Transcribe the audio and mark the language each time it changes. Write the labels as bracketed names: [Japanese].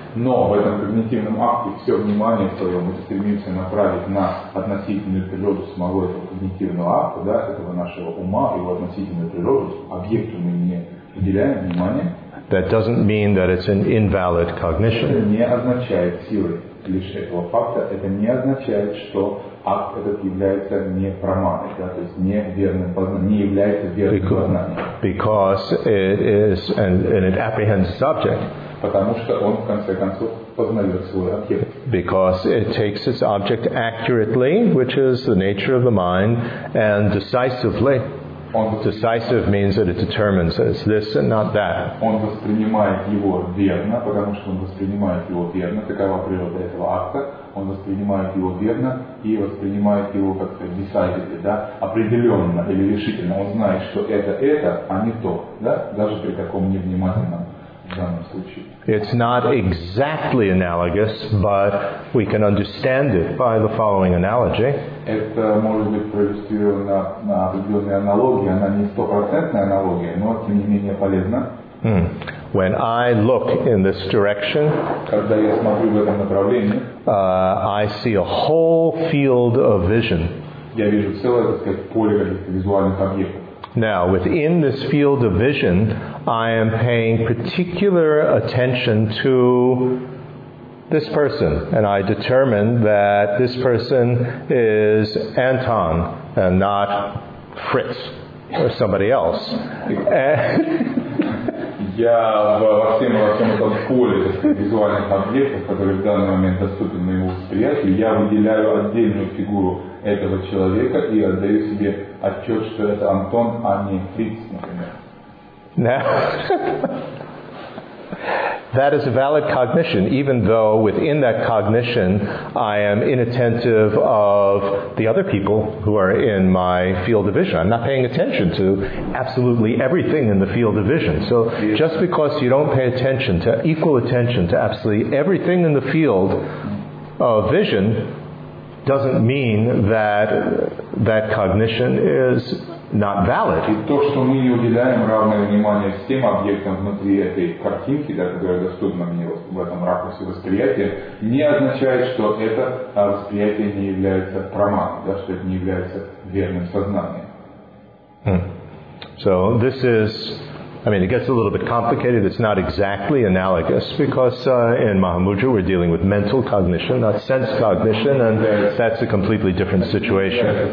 [Russian] Но в этом когнитивном акте все внимание свое мы стремимся направить на относительную природу самого этого когнитивного акта, да, этого нашего ума, его относительную природу, объекту мы не уделяем внимание. [English] That doesn't mean that it's an invalid cognition. [Russian] Это не означает силы лишь этого факта, это не означает, что акт этот является непраманой, да, то есть неверным познанием, не является верным познанием. [English] Because it is, and it apprehends its object. [Russian] Потому что он, в конце концов, познает свой объект. [English] Because it takes its object accurately, which is the nature of the mind, and decisively. Decisive means that it determines that it's this and not that. [Russian] Он воспринимает его верно, потому что он воспринимает его верно, такова природа этого акта. Он воспринимает его верно и воспринимает его как decisively, да, определенно или решительно. Он знает, что это, а не то, да, даже при таком невнимательном. [English] It's not exactly analogous, but we can understand it by the following analogy. [Russian] Это может быть проиллюстрировано на определенной аналогии, она не стопроцентная аналогия, но тем не менее полезна. [English] When I look in this direction, [Russian] когда я смотрю в этом направлении, [English] I see a whole field of vision. [Russian] Я вижу целое, так сказать, поле каких-то визуальных объектов. [English] Now, within this field of vision, I am paying particular attention to this person, and I determine that this person is Anton and not Fritz or somebody else. [Russian] Я во всем этом поле визуальных объектов, которые в данный момент доступны моему восприятию, я выделяю отдельную фигуру этого человека и отдаю себе отчет, что это Антон, а не Фриц, например. [English] Now, That is a valid cognition, even though within that cognition I am inattentive of the other people who are in my field of vision. I'm not paying attention to absolutely everything in the field of vision. So just because you don't pay attention to equal attention to absolutely everything in the field of vision doesn't mean that that cognition is not valid. [Russian] И то, что мы не уделяем равное внимание всем объектам внутри этой картинки, да, которая доступна мне в этом ракурсе восприятия, не означает, что это восприятие не является проманом, да, что это не является верным сознанием. [English] So this is, I mean, it gets a little bit complicated. It's not exactly analogous because in Mahamudra we're dealing with mental cognition, not sense cognition, and that's a completely different situation.